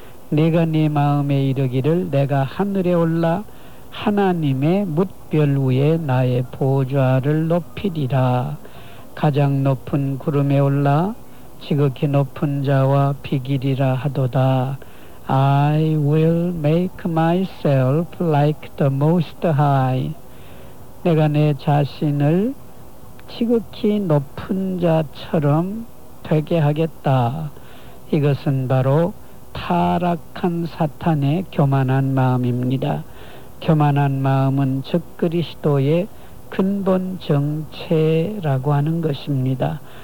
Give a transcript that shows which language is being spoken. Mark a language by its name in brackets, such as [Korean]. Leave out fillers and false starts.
[Korean] 내가 네 마음에 이르기를 내가 하늘에 올라 하나님의 뭇별 위에 나의 보좌를 높이리라. 가장 높은 구름에 올라 지극히 높은 자와 비기리라 하도다. [English] I will make myself like the most high. [Korean] 내가 내 자신을 지극히 높은 자처럼 되게 하겠다. 이것은 바로 타락한 사탄의 교만한 마음입니다. 교만한 마음은 적 그리스도의 근본 정체라고 하는 것입니다.